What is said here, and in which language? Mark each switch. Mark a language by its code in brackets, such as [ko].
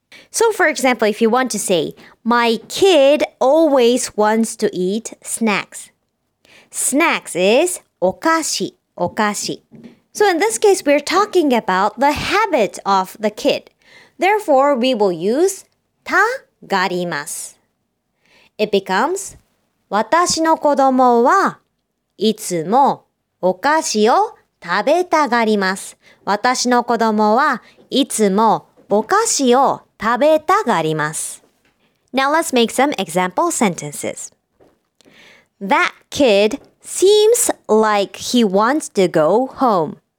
[en] So for example, if you want to say, my kid always wants to eat snacks. Snacks is okashi, okashi. So in this case, we're talking about the habit of the kid. Therefore, we will use ta garimasu. It becomes, [ja] 私の子供はいつもお菓子を食べたがります。私の子供はいつもお菓子を食べたがります。 [en] Now let's make some example sentences. That kid seems like he wants to go home.